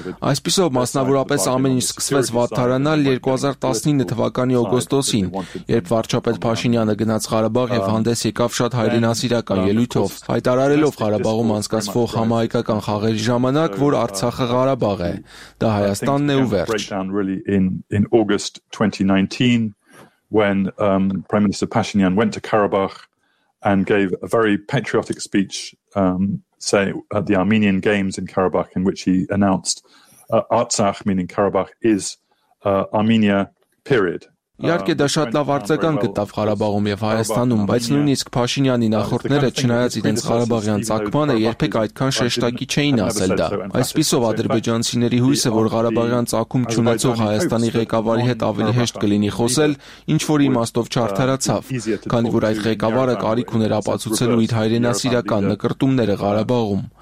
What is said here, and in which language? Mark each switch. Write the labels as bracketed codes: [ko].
[hy] Այսպիսով մասնավորապես ամեն ինչ սկսվեց վատթարանալ 2019 թվականի օգոստոսին, երբ վարչապետ Փաշինյանը գնաց Ղարաբաղ եւ հանդես եկավ շատ հայրենասիրական ելույթով, հայտարարելով Ղարաբաղում անցկացվող համահայկական խաղերի ժամանակ, որ Արցախը Ղարաբաղ է, դա Հայաստանն է ու վերջ։ [en] In August 2019 when Prime Minister Pashinyan went to Karabakh and gave a very patriotic speech say at the Armenian Games in Karabakh in which he announced Artsakh meaning Karabakh is Armenia period. [hy] Իհարկե դա շատ լավ արձագանք գտավ Ղարաբաղում եւ Հայաստանում, բայց նույնիսկ Փաշինյանի նախորդները, չնայած իրենց Ղարաբաղյան ցակմանը, երբեք այդքան շեշտակի չէին ասել դա։ Այսպիսով ադրբեջանցիների հույսը, որ Ղարաբաղյան ցակում ճանաչող Հայաստանի ղեկավարի հետ ավելի հեշտ կլինի խոսել, ինչ որ իմաստով չարթարացավ, քանի որ այդ ղեկավարը կարիք ուներ ապացուցելու իր հայրենասիրական նկարտումները Ղարաբաղում։